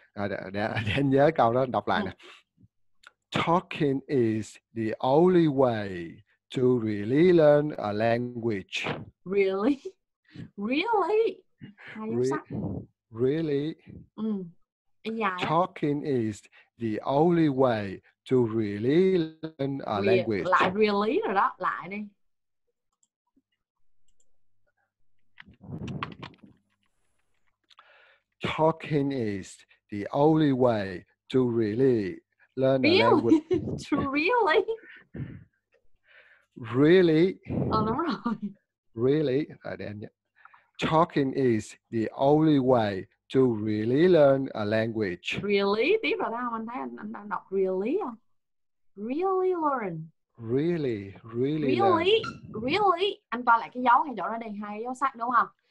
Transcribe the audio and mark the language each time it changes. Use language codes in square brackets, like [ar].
[vi] Để anh nhớ câu đó, đọc lại nè. [en] Talking is the only way to really learn a language. Really? Really? Really? Yeah. Talking is the only way to really learn a language. [vi] Lại really rồi đó, lại đi. [en] Talking is the only way to really learn a language. To really? Really? Oh, [vi] đúng rồi. [en] Really? [vi] Rồi để anh nhớ. [en] Talking is the only way to really learn a language. Really? [vi] Tiếp vào đâu? Anh thấy anh đang đọc really không? [en] Really learn. Really learn. Really? [vi] Anh coi lại cái dấu hay chỗ đó đây, hai dấu sắc đúng không?